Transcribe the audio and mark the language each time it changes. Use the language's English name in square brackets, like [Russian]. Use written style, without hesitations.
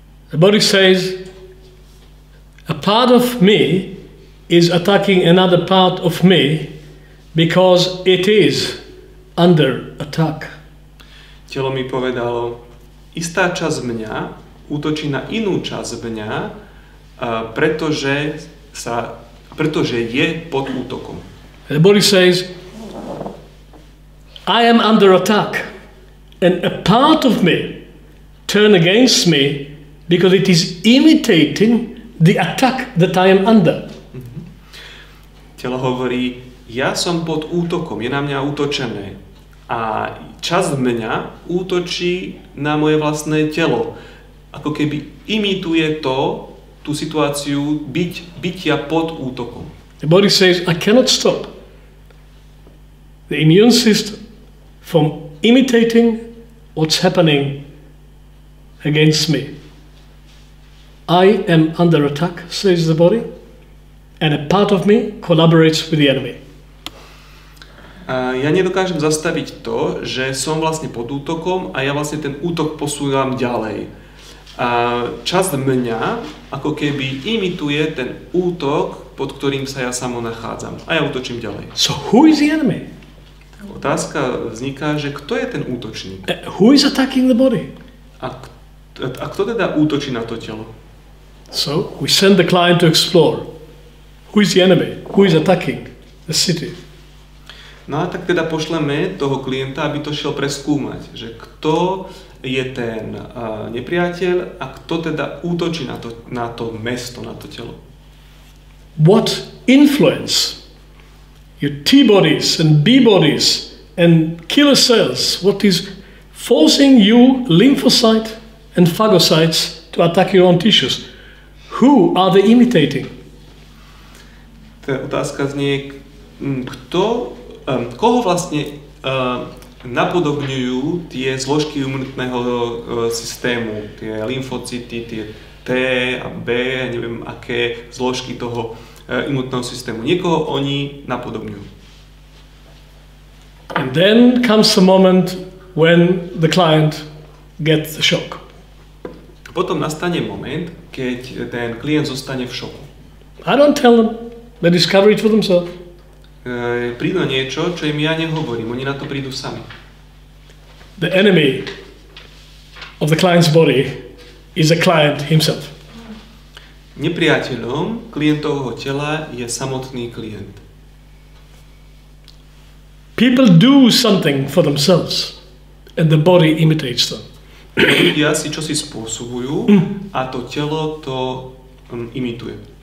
[English] The body says, a part of me is attacking another part of me because it is under attack. [Slovak] Telo mi povedalo, istá časť mňa útočí na inú časť mňa, pretože je pod útokom. [English] The body says, I am under attack and a part of me turn against me because it is imitating the attack that I am under. [Slovak] Telo hovorí, ja som pod útokom, je na mňa útočené a časť mňa útočí na moje vlastné telo. Ako keby imituje to, tú situáciu bytia pod útokom. [English] The body says, I cannot stop the immune system from imitating what's happening against me. I am under attack, says the body. And a part of me collaborates with the enemy. [Slovak] Ja nedokážem zastaviť to, že som vlastne pod útokom a ja vlastne ten útok posúvam ďalej. Časť mňa ako keby imituje ten útok, pod ktorým sa ja samo nachádzam. A ja útočím ďalej. [English] So who is the enemy? [Slovak] Otázka vzniká, že kto je ten útočník? [English] Who is attacking the body? [Slovak] A kto teda útočí na to telo? [English] So we send the client to explore. Who is the enemy? Who is attacking the city? [Slovak] No a tak teda pošleme toho klienta, aby to šiel preskúmať, že kto je ten nepriateľ a kto teda útočí na to mesto, na to telo. [English] What influence your T bodies and B bodies and killer cells, what is forcing you lymphocytes and phagocytes to attack your own tissues. Who are they imitating? [Slovak] To je otázka znie, kto, koho vlastne napodobňujú tie zložky imunitného systému, tie lymfocyty, tie T a B, neviem aké zložky toho imunitného systému. Niekoho oni napodobňujú. [English] And then comes the moment when the client gets the shock. [Slovak] Potom nastane moment, keď ten klient zostane v šoku. [English] I don't tell them. They discover it for themselves. [Slovak] Prídu niečo, čo im ja nehovorím. Oni na to prídu sami. [English] The enemy of the client's body is the client himself. [Slovak] Nepriateľom klientovho tela je samotný klient. [English] People do something for themselves and the body imitates them. [Slovak] Ľudia si čosi spôsobujú a to telo to imituje.